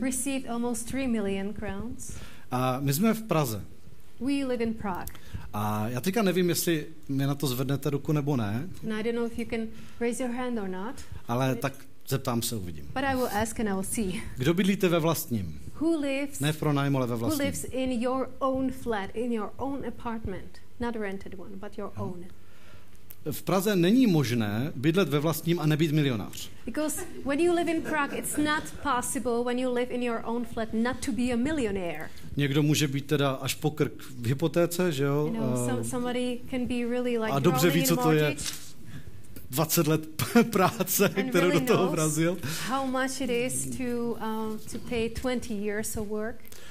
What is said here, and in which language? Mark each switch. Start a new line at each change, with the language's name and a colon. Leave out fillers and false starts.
English: Received almost 3 million crowns.
Czech: A my jsme v Praze.
English: We live in Prague.
Czech: A já teďka nevím, jestli mi na to zvednete ruku nebo ne.
English: And I don't know if you can raise your hand or not.
Czech: Ale tak zeptám se, uvidím.
English: But I will ask and I will see.
Czech: Kdo bydlíte ve vlastním?
English: Who lives?
Czech: Ne v pronájmu, ale ve vlastním.
English: Who lives in your own flat, in your own apartment, not a rented one, but your own?
Czech: V Praze není možné bydlet ve vlastním a nebýt milionář.
English: Because when you live in Prague, it's not possible when you live in your own flat not to be a millionaire.
Czech: Někdo může být teda až po krk v hypotéce, že jo?
English: You know, somebody can be really like
Czech: a dobře ví, co to je 20 let práce, kterou
English: really
Czech: do toho vrazil.
English: How much it is to pay 20 years of work.